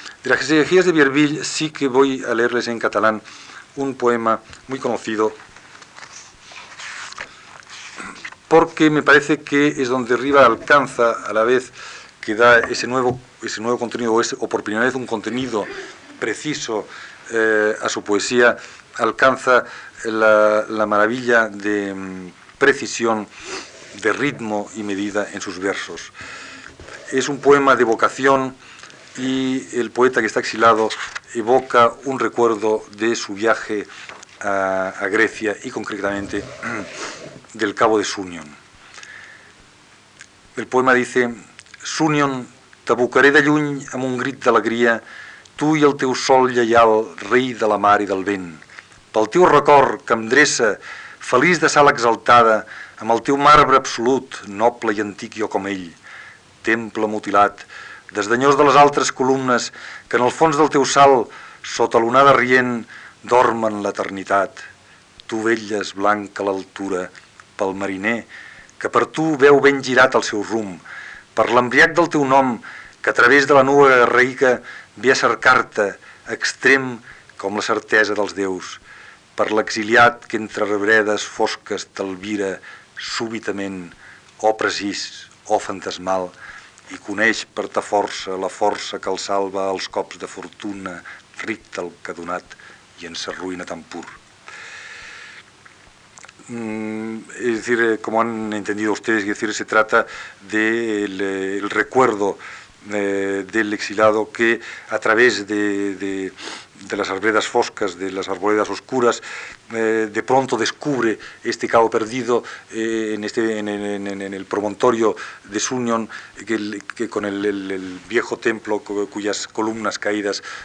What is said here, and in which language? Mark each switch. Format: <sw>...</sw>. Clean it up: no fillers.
<es>De las elegías de Bierville sí que voy a leerles en catalán un poema muy conocido, porque me parece que es donde Riva alcanza, a la vez que da ese nuevo contenido, o por primera vez un contenido preciso a su poesía, alcanza la maravilla de precisión, de ritmo y medida en sus versos. Es un poema de vocación y el poeta que está exilado evoca un recuerdo de su viaje a Grecia y concretamente del cabo de Sunion. El poema dice:</es> <ca>Sunion, t'abocaré de lluny amb un grit d'alegria, tu i el teu sol lleial, rei de la mar i del vent. Pel teu record que em dreça, feliç de sala exaltada, amb el teu marbre absolut, noble i antic jo com ell, temple mutilat, desdanyós de les altres columnes que en el fons del teu salt, sota l'onada rient, dormen l'eternitat. Tu velles blanca a l'altura, pel mariner, que per tu veu ben girat el seu rumb, per l'embriac del teu nom, que a través de la nua garraïca ve a cercar-te, extrem com la certesa dels déus, per l'exiliat que entre rebredes fosques t'albira súbitament, o precís, o fantasmal, i coneix per ta força la força que el salva als cops de fortuna, ric del que ha donat i en sa ruïna tan pur.</ca> <es>Es decir, como han entendido ustedes, es decir, se trata del el recuerdo del exilado que a través de las arboledas foscas, de las arboledas oscuras, de pronto descubre este cabo perdido en el promontorio de Sunion, que con el viejo templo cuyas columnas caídas,</es>